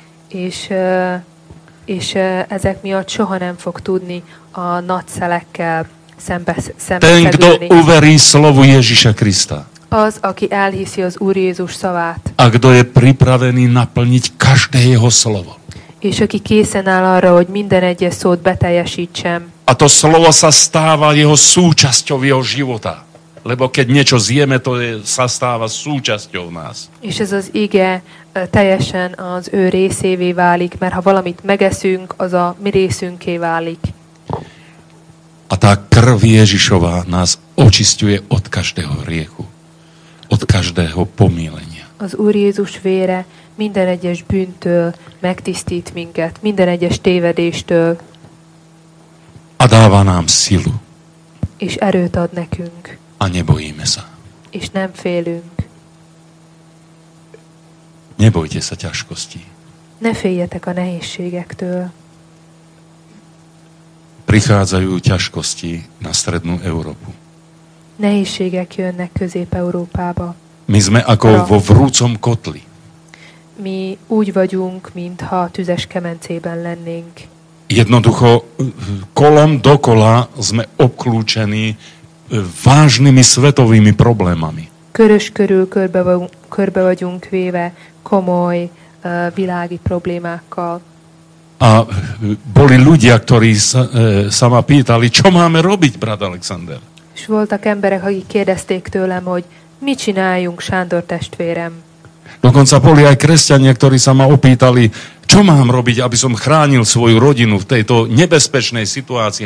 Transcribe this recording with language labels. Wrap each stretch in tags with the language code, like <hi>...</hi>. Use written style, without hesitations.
<hu>És ezek miatt soha nem fog tudni a nagy szelekkel szembe</hu> <sk>Ten, kdo uverí slovu Ježiša Krista.</sk> <hu>Az, aki elhiszi az Úr Jézus szavát.</hu> <sk>A kdo je pripravený naplniť každé jeho slovo.</sk> <hu>És aki készen áll arra, hogy minden egyes szót beteljesítsem.</hu> <sk>A to slovo sa stáva jeho súčasťou jeho života. Lebo keď niečo zjeme, to je, sa stáva súčasťou nás.</sk> <hu>És ez az ige teljesen az ő részévé válik, mert ha valamit megeszünk, az a mi részünké válik.</hu> <sk>A tá krv Ježišová nás očisťuje od každého hriechu. Od každého pomýlenia.</sk> <hu>Az Úr Jézus vére minden egyes bűntől megtisztít minket, minden egyes tévedéstől.</hu> <sk>A dáva nám silu.</sk> <hu>És erőt ad nekünk.</hu> <sk>A nebojíme sa.</sk> <hu>És nem félünk.</hu> <sk>Nebojte sa ťažkosti.</sk> <hu>Ne féljetek a nehézségektől.</hu> <sk>Prichádzajú ťažkosti na strednú Európu.</sk> <hu>Nehézségek jönnek Közép-Európába.</hu> <sk>My sme ako vo vrúcom kotli.</sk> <hu>My úgy vagyunk, mintha tüzes kemencében lennénk.</hu> <sk>Jednoducho, kolom dokola sme obklúčení vážnymi svetovými problémami.</sk> <hu>Körös körül körbe vagyunk véve komoly világi problémákkal.</hu> <sk>A boli ľudia, ktorí sa ma pýtali, čo máme robiť, brat Alexander?</sk> <hu>És voltak emberek, akik kérdezték tőlem, hogy mit csináljunk, Sándor testvérem.</hu> <sk>Dokonca boli aj kresťania, ktorí sa ma opýtali, čo mám robiť, aby som chránil svoju rodinu v tejto nebezpečnej situácii.</sk>